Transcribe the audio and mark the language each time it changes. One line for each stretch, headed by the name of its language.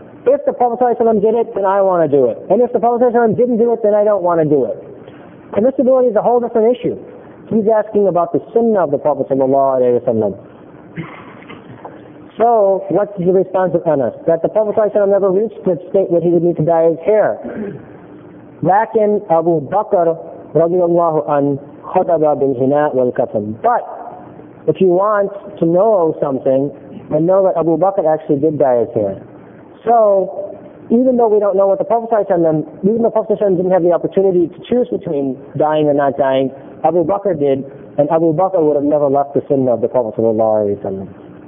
English: If the Prophet ﷺ did it, then I want to do it. And if the Prophet ﷺ didn't do it, then I don't want to do it. Permissibility is a whole different issue. He's asking about the sunnah of the Prophet ﷺ. So, what's the response of Anas? That the Prophet ﷺ never reached the state that he would need to dye his hair.
Arabic: لكن أبو بكر رضي الله عنه خطب بالحناء والكتم.
English: But if you want to know something, then know that Abu Bakr actually did dye his hair. So even though we don't know what the Prophet said to them, even the Prophet didn't have the opportunity to choose between dying or not dying, Abu Bakr did, and Abu Bakr would have never left the sunnah of the Prophet sallallahu alaihi wasallam.